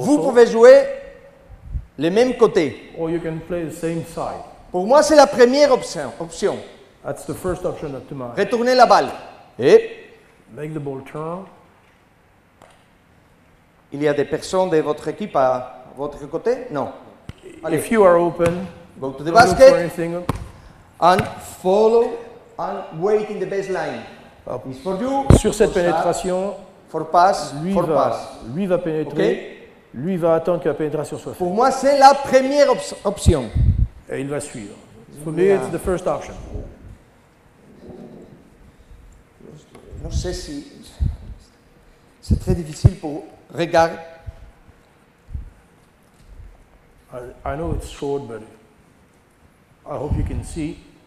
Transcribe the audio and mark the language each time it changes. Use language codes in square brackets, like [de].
[fr] vous pouvez jouer les mêmes côtés. [en] Or you can play the same side. [fr] Pour moi, c'est la première option. [en] That's the first option at the moment. [fr] Retourner la balle. [en] Et make the ball turn. [fr] Il y a des personnes de votre équipe à votre côté? Non. Allez. [en] If you are open, go to the basket and follow and wait in the baseline. For you, [fr] sur cette pénétration, [en] for pass, [fr] lui, [en] for [fr] va, [en] pass. [fr] Lui va pénétrer, [en] okay. [fr] Lui va attendre que la pénétration soit faite. Pour moi, c'est la première option. Et il va suivre. [en] For me, it's the first option. [fr] Je ne sais si c'est très difficile pour regarder. [en] I know it's short, but I hope you can see.